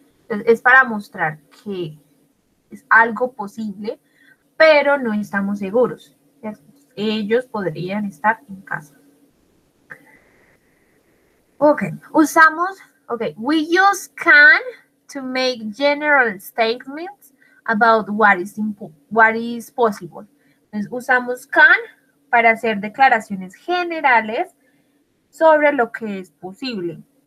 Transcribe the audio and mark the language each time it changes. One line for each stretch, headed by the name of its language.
Spanish: Es para mostrar que es algo posible, pero no estamos seguros. Ellos podrían estar en casa.
English: We use can to make general statements about what is possible.
Spanish: Entonces, usamos can para hacer declaraciones generales sobre lo que es posible.